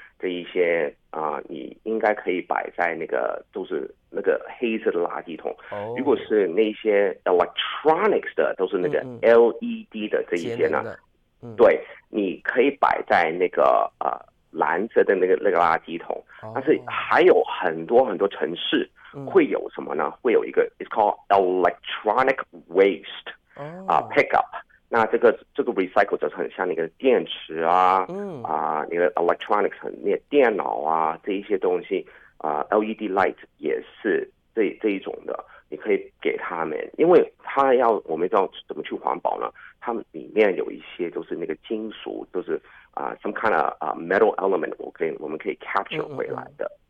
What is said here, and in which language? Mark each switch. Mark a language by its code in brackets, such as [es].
[zh] 这一些你应该可以摆在那个都是那个黑色的垃圾桶。如果是那些 electronics 的，都是那个 LED 的这一些呢，对，你可以摆在那个蓝色的那个垃圾桶。但是还有很多很多城市会有什么呢？会有一个 [en] it's called electronic waste pickup。 [zh] 那这个 recycle 就是很像那个电池啊，那个 electronics 很那电脑啊这一些东西LED light 也是这一种的，你可以给他们，因为他要我们要怎么去环保呢？他们里面有一些都是那个金属，就是 [en] some kind of metal element， [zh] 我们可以 capture 回来的。